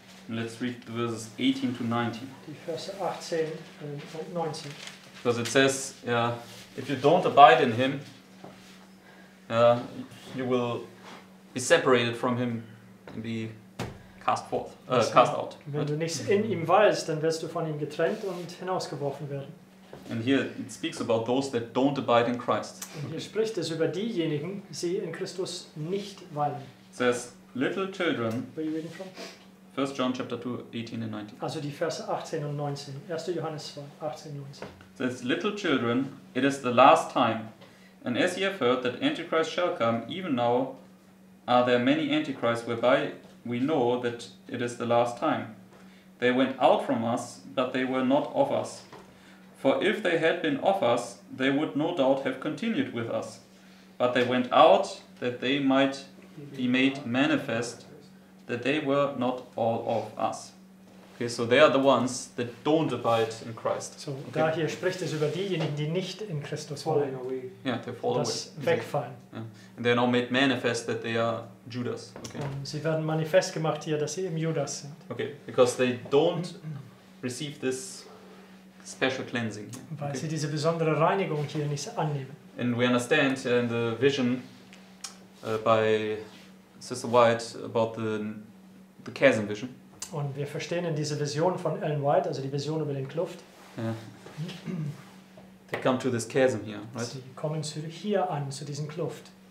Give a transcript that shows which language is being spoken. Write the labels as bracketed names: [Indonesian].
[English] Let's read the verses 18 to 19. [German] Die Verse 18 und 19. [English] Because it says, if you don't abide in him, you will be separated from him and be cast forth, cast out. [German] Wenn du nicht in ihm weilst, dann wirst du von ihm getrennt und hinausgeworfen werden. [English] And here it speaks about those that don't abide in Christ. [German] Und hier spricht es über diejenigen, die in Christus nicht weilen. [English] It says, little children. Where are you reading from? 1 John chapter 2, 18 and 19. [German] Also die Verse 18 und 19. 1. Johannes 2, 18 und 19. [English] It says, little children, it is the last time. And as ye have heard that Antichrist shall come, even now are there many Antichrists, whereby we know that it is the last time. They went out from us, but they were not of us. For if they had been of us, they would no doubt have continued with us. But they went out that they might be made manifest that they were not all of us. Okay, so they are the ones that don't abide in Christ. [German] So da hier spricht es über diejenigen, die nicht in Christus fallen. [English] Yeah, they fall away. [German] Das wegfallen. [English] Yeah. And they are now made manifest that they are Judas. Okay. [German] Sie werden manifest gemacht hier, dass sie eben Judas sind. [English] Okay, because they don't receive this special cleansing. [German] Weil [English] okay. [German] sie diese besondere Reinigung hier nicht annehmen. [English] And we understand in the vision by Sister White about the chasm vision. [German] Und wir verstehen in dieser Vision von Ellen White, also die Vision über den Kluft. [English] Yeah. They come to this chasm here, right? [German] Sie kommen zu hier an, zu diesem Kluft.